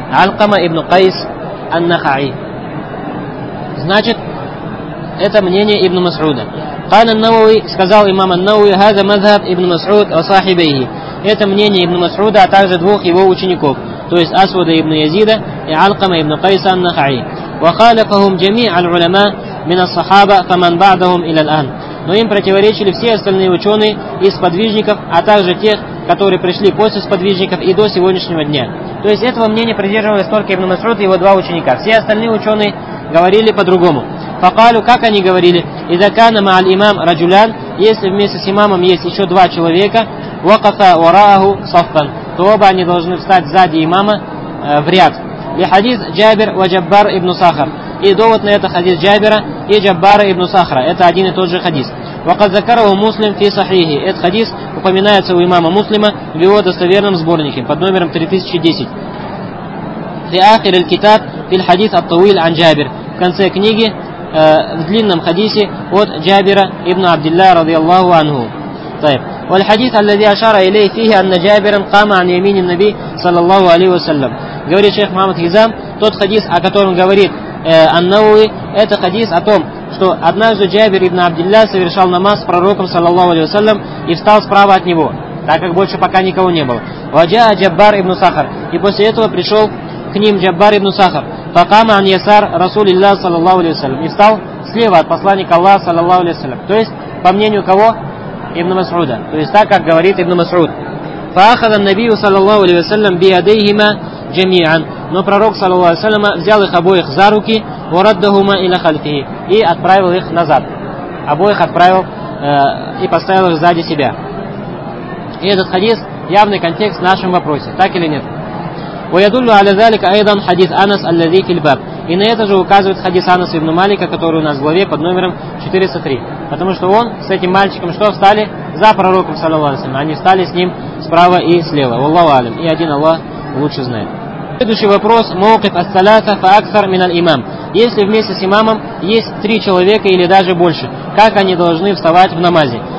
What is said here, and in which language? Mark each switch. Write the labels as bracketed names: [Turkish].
[Russian] Аль-Кама ибн Кайс Ан-Наха'и. Значит, это мнение ибн Мас'уда. [Arabic] Кан ан-Науи, [Russian] сказал имам [Arabic] ан-Науи, «Хаза мазхаб ибн Мас'уд ва сахибейхи». [Russian] Это мнение ибн Мас'уда, а также 2 его учеников. То есть Асвада ибн Язида и Алкама ибн Кайса ан-Нахаи. [Arabic] وخالفهم جميع العلماء من الصحابه فمن بعدهم الى الان. [Russian] Но им противоречили все остальные ученые из сподвижников, а также тех, которые пришли после сподвижников и до сегодняшнего дня. То есть этого мнения придерживались только ибн Масуд и его 2 ученика. Все остальные ученые говорили по-другому. [Arabic] فقالوا, [Russian] как они говорили, [Arabic] اذا كان مع الامام رجلان, [Russian] если вместе с имамом есть еще 2 человека, [Arabic] وقف وراءه صفا, [Russian] то оба они должны встать сзади имама в ряд. И хадис Джабир ва Джаббар ибн Сахар. И довод на это хадис Джабира и Джаббара ибн Сахара. Это один и тот же хадис. [Arabic] Ва кад закарахум Муслим фи сахихи. [Russian] Этот хадис упоминается у имама Муслима в его достоверном сборнике под номером 3010. [Arabic] Фи ахир аль-китаб фи аль-хадис ат-тавил ан Джабир. [Russian] В конце книги, в длинном хадисе от Джабира ибн Абдилла радиаллаху анху. [Arabic] Тайб. والحديث الذي أشار إليه فيه أن جابر قام عن يمين النبي صلى الله عليه وسلم. [Russian] Говорит шейх Мухаммад Хизам, тот хадис, о котором говорит ан-Науи, это хадис о том, что однажды Джабир ибн Абдилля совершал намаз с пророком [Arabic] صلى الله عليه وسلم [Russian] и встал справа от него, так как больше пока никого не было. [Arabic] وجاء جبار ابن سخر. [Russian] И после этого пришел к ним Джаббар ибн Сахар. [Arabic] فقام عن يسار رسول الله صلى الله عليه وسلم. [Russian] И встал слева от посланника Аллаха [Arabic] صلى الله عليه وسلم. [Russian] То есть по мнению кого? Ибн Масуда. То есть так, как говорит Ибн Масуд. [Arabic] فأخذ النبي صلى الله عليه وسلم بيديهما جميعا. [Russian] Но пророк [Arabic] صلى الله عليه وسلم [Russian] взял их обоих за руки, [Arabic] وردهما إلى خلفه, [Russian] и отправил их назад. Обоих отправил и поставил их сзади себя. И этот хадис явный контекст в нашем вопросе. Так или нет? [Arabic] ويدل على ذلك أيضا حديث أنس الذي في الباب. [Russian] И на это же указывает хадис Анаса ибн Малика, который у нас в главе под номером 403. Потому что он с этим мальчиком что встали? За пророком, [Arabic] саллаллаху алейхи ва саллям. [Russian] Они встали с ним справа и слева. [Arabic] Валлаху алим. [Russian] И один Аллах лучше знает. Следующий вопрос. [Arabic] Мокиф ас-саляса фа акфар миналь имам. [Russian] Если вместе с имамом есть 3 человека или даже больше, как они должны вставать в намазе?